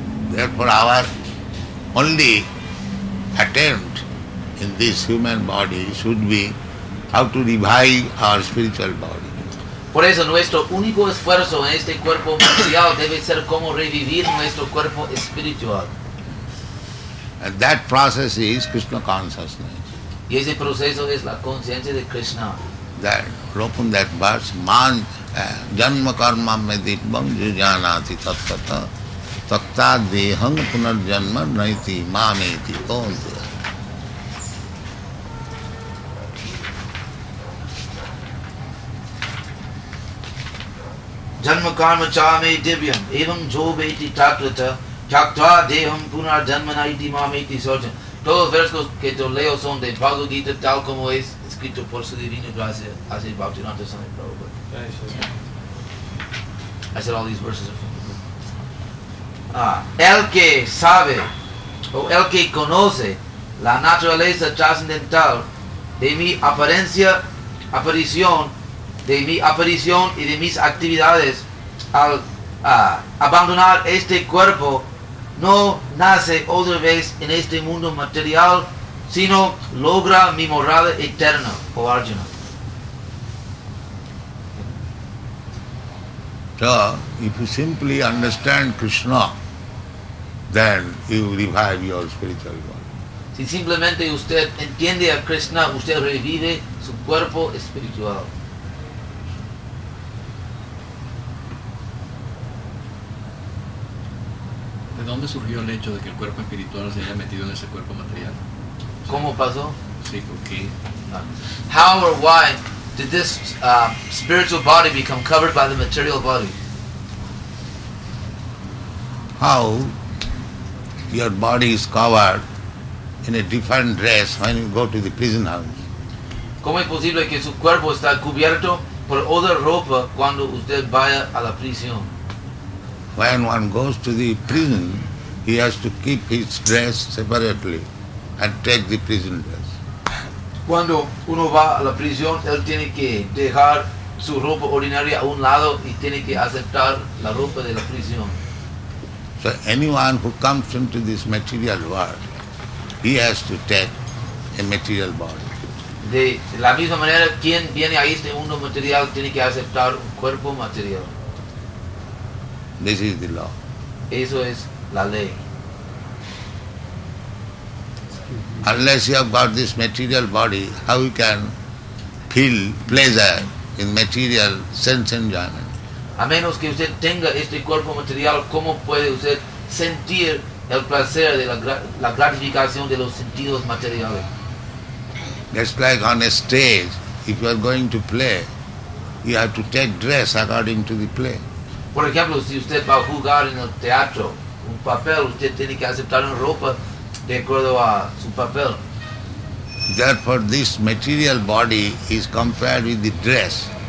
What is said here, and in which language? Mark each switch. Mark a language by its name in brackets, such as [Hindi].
[English] Therefore, our only attempt in this human body should be how to revive our spiritual body. [Spanish] Por eso, nuestro único esfuerzo en este cuerpo material debe ser cómo revivir nuestro cuerpo espiritual. [English] And that process is Krishna consciousness. [Spanish] Y ese proceso es la conciencia de Krishna. [English] That from that verse, [Sanskrit] man janma karma meditvam jujanati tattata takta dehang punar janma naiti mameti kondi. Janma karma chame divyam evam jobeti tatrata takta deham punar janma naiti mameti sojan. [Spanish] Todos los versos que yo leo son de Bhagavad Gita tal como es escrito por su divino gracia hace el Bhaktivinoda Swami Prabhupada. [English] I said all these verses are from the book. [Spanish] El que sabe o el que conoce la naturaleza trascendental de mi apariencia, aparición, de mi aparición y de mis actividades al abandonar este cuerpo, no nace otra vez en este mundo material, sino logra mi morada eterna, o Arjuna. [English] So, if you simply understand Krishna, then you revive your spiritual body. [Spanish] Si simplemente usted entiende a Krishna, usted revive su cuerpo espiritual. ¿De dónde surgió el hecho de que el cuerpo espiritual se haya metido en ese cuerpo material? ¿Cómo pasó? Sí, ¿por qué? [English] How or why did this spiritual body become covered by the material body? How your body is covered in a different dress when you go to the prison house? [Spanish] ¿Cómo es posible que su cuerpo está cubierto por otra ropa cuando usted vaya a la prisión? [English] When one goes to the prison, he has to keep his dress separately and take the prison dress. [Spanish] Cuando uno va a la prisión, él tiene que dejar su ropa ordinaria a un lado y tiene que aceptar la ropa de la prisión. [English] So anyone who comes into this material world, he has to take a material body. [Spanish] De la misma manera, quien viene a este mundo material tiene que aceptar un cuerpo material. [English] This is the law. [Spanish] Eso es la ley. [English] Unless you have got this material body, how you can feel pleasure in material sense enjoyment? [Spanish] A menos que usted tenga este cuerpo material, ¿cómo puede usted sentir el placer de la gratificación de los sentidos materiales? [English] Just like on a stage, if you are going to play, you have to take dress according to the play. [Spanish] Por ejemplo, si usted va a jugar en el teatro un papel, usted tiene que aceptar una ropa de acuerdo a su papel. [English] Therefore, this material body is compared with the dress.